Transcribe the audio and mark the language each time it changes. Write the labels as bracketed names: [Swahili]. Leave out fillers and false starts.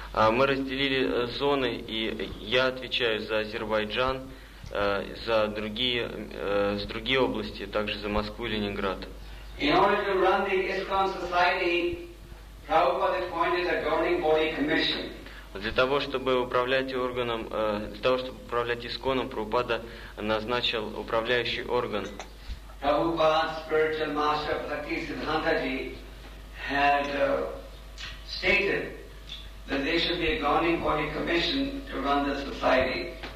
[Russian] Мы разделили зоны, и я отвечаю за Азербайджан, за другие, с другие области, также за Москву и Ленинград. [English] In order to run the ISKCON Society, Prabhupada appointed a governing body commission. [Russian] Для того, чтобы управлять органом, для того, чтобы управлять ИСКОНом, Прабхупада назначил управляющий орган. [English] Prabhupada's spiritual master, Bhaktisiddhantaji, had stated that there should be a governing body commission to run the society.